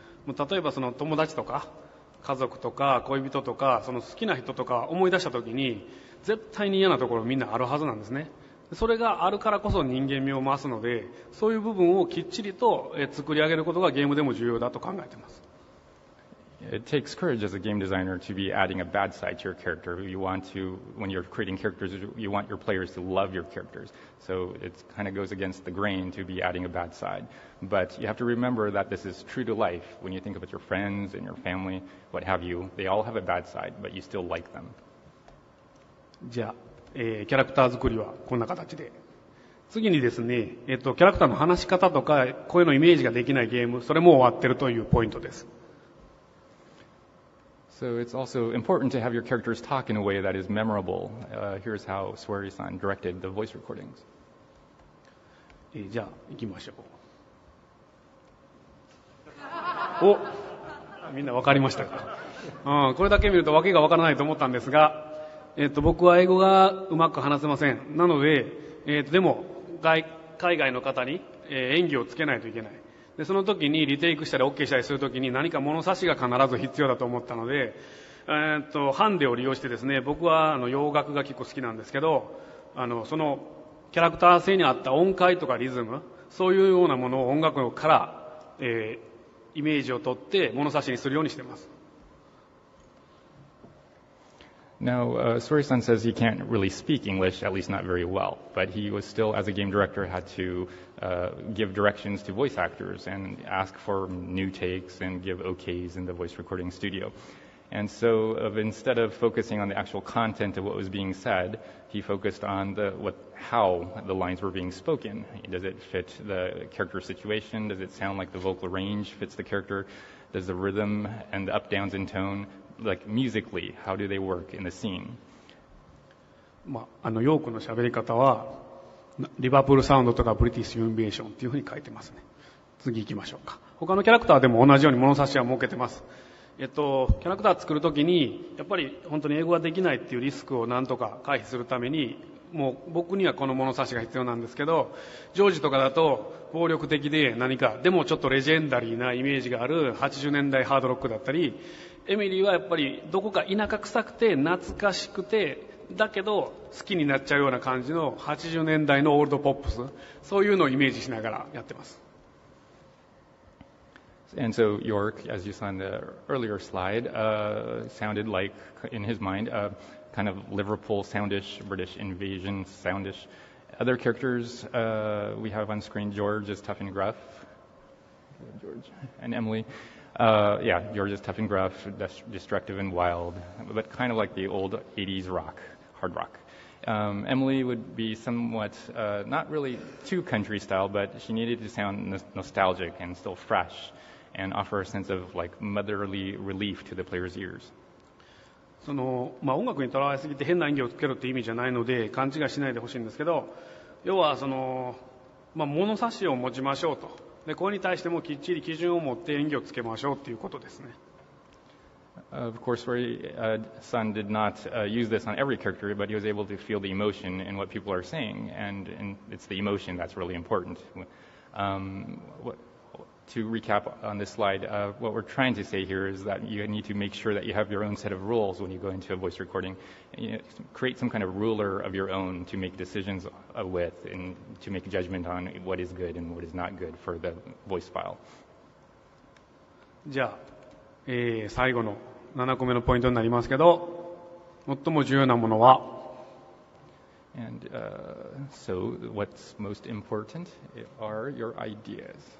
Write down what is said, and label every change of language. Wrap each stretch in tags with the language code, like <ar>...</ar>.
<ja>もう例えばその友達とか家族とか恋人とかその好きな人とか思い出したときに絶対に嫌なところみんなあるはずなんですね。それがあるからこそ人間味を増すのでそういう部分をきっちりと作り上げることがゲームでも重要だと考えています。</ja> <en>It takes courage as a game designer to be adding a bad side to your character. You want to, when you're creating characters, you want your players to love your characters. So it kind of goes against the grain to be adding a bad side. But you have to remember that this is true to life. When you think about your friends and your family, what have you, they all have a bad side, but you still like them.</en> <ja>じゃあ、キャラクター作りはこんな形で。次にですね、キャラクターの話し方とか声のイメージができないゲーム、それも終わってるというポイントです。</ja> <en>So it's also important to have your characters talk in a way that is memorable. Here's how Sueri-san directed the voice recordings.</en> <ja>じゃあ、行きましょう。お、みんな分かりましたか。これだけ見ると訳が分からないと思ったんですが、僕は英語がうまく話せません。なので、でも海外の方に、演技をつけないといけない。でその時にリテイクしたり OK したりする時に何か物差しが必ず必要だと思ったので、ハンデを利用してですね、僕は洋楽が結構好きなんですけど、そのキャラクター性に合った音階とかリズム、そういうようなものを音楽から、イメージを取って物差しにするようにしています。</ja> <en>Now, Sueri-san says he can't really speak English, at least not very well, but he was still, as a game director, had to give directions to voice actors and ask for new takes and give OKs in the voice recording studio. And so instead of focusing on the actual content of what was being said, he focused on how the lines were being spoken. Does it fit the character situation? Does it sound like the vocal range fits the character? Does the rhythm and the up-downs in tone... Like, musically, how do they work in the scene?</en> <ja>ヨークの喋り方は、リバプールサウンドとかブリティッシュインベーションっていうふうに書いてますね。次行きましょうか。他のキャラクターでも同じように物差しは設けてます。キャラクター作るときに、やっぱり本当に英語ができないっていうリスクをなんとか回避するために、もう僕にはこの物差しが必要なんですけど、ジョージとかだと暴力的で何か、でもちょっとレジェンダリーなイメージがある80年代ハードロックだったり、エミリーはやっぱりどこか田舎臭くて懐かしくてだけど好きになっちゃうような感じの80年代のオールドポップス、そういうのをイメージしながらやってます。</ja> <en>And so York, as you saw in the earlier slide, sounded like in his mind a kind of Liverpool soundish, British invasion soundish. Other characters we have on screen, George is tough and gruff. George and Emily. George is tough and gruff, destructive and wild, but kind of like the old 80s rock, hard rock. Emily would be somewhat, not really too country style, but she needed to sound nostalgic and still fresh and offer a sense of like motherly relief to the player's ears.</en> <ja>その、音楽にとらわれすぎて変な演技をつけるって意味じゃないので勘違いしないでほしいんですけど、要はその、物差しを持ちましょうと。でこれに対してもきっちり基準を持って演技をつけましょうということですね。</ja> <en>Of course, Sueri san did not use this on every character, but he was able to feel the emotion in what people are saying, and it's the emotion that's really important. To recap on this slide, what we're trying to say here is that you need to make sure that you have your own set of rules when you go into a voice recording. Create some kind of ruler of your own to make decisions with and to make a judgment on what is good and what is not good for the voice file.</en> <ja>じゃあ、最後の7個目のポイントになりますけど、最も重要なものは、</ja> <en>And, so what's most important are your ideas.</en>